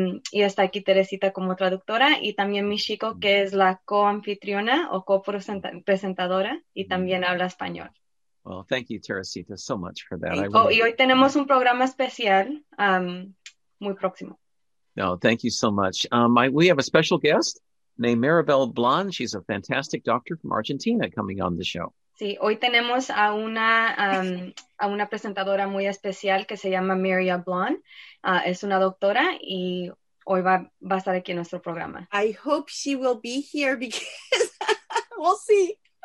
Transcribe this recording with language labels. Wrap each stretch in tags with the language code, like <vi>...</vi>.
<es>Y está aquí Teresita como traductora y también Michiko, que es la co-anfitriona o co-presentadora y también habla español.</es> <en>Well, thank you, Teresita, so much for that.</en> <es>Y hoy tenemos un programa especial muy próximo.</es> <en>No, thank you so much. We have a special guest named Maribel Blanc. She's a fantastic doctor from Argentina coming on the show.</en> <es>Sí, hoy tenemos a una presentadora muy especial que se llama Maribel Blanc. Es una doctora y hoy va a estar aquí en nuestro programa.</es> <en>I hope she will be here because we'll see.</en>